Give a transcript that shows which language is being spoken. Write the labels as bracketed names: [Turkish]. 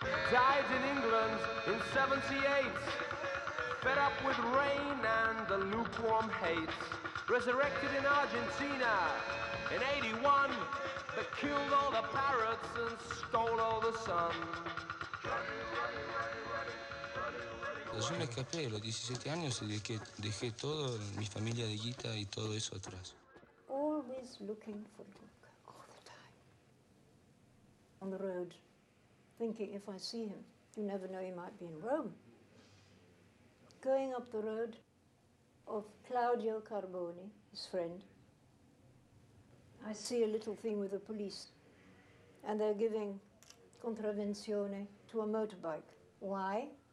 [English] Died in England in 78. Fed up with rain and the lukewarm hate. Resurrected in Argentina in 81. That killed all the parrots and stole all the sun. [Spanish] Yo me escapé, a los 17 años dejé todo, mi familia de Guita y todo eso atrás. [English] Always looking for Luca, all the time. On the road, thinking if I see him, you never know, he might be in Rome. Going up the road of Claudio Carboni, his friend, I see a little thing with the police and they're giving contravenzione to a motorbike. Why?